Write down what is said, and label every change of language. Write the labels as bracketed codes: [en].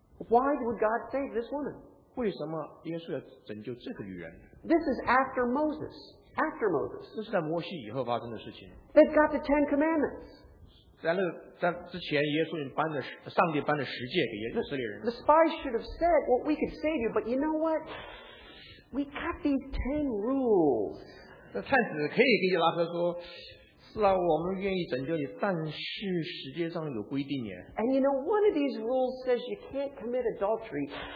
[en] Why would God save this woman? [zh] 为什么耶稣要拯救这个女人? [en] This is after Moses. After Moses. [zh] 这是在摩西以后发生的事情。 [en] They've got the Ten Commandments. [zh] 在之前，耶稣已经颁了上帝颁了十诫给以色列人。 [en] The spies should have said, "Well, we could save you, but you know what? We got these 10 rules." [zh] 那探子可以跟拉合说：“是啊，我们愿意拯救你，但是世界上有规定耶。” And [en] you know, one of these rules says you can't commit adultery.